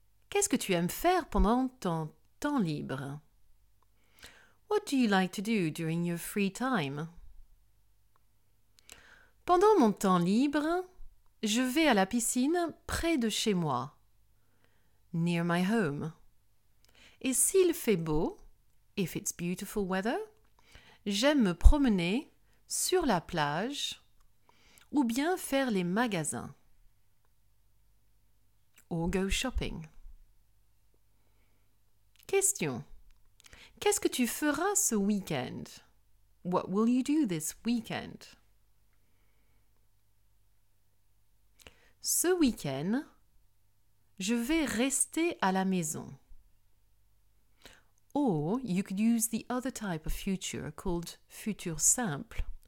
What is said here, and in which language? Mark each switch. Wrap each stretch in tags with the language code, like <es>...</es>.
<fr>Qu'est-ce que tu aimes faire pendant ton temps libre?</fr> <en>What do you like to do during your free time?</en> <fr>Pendant mon temps libre, je vais à la piscine près de chez moi.</fr> <en>Near my home.</en> <fr>Et s'il fait beau,</fr> <en>if it's beautiful weather,</en> <fr>j'aime me promener sur la plage ou bien faire les magasins.</fr> <en>Or go shopping.</en> <fr>Question. Qu'est-ce que tu feras ce week-end?</fr> <en>What will you do this weekend?</en> <fr>Ce week-end, je vais rester à la maison.</fr> <en>Or, you could use the other type of future called future simple.</en>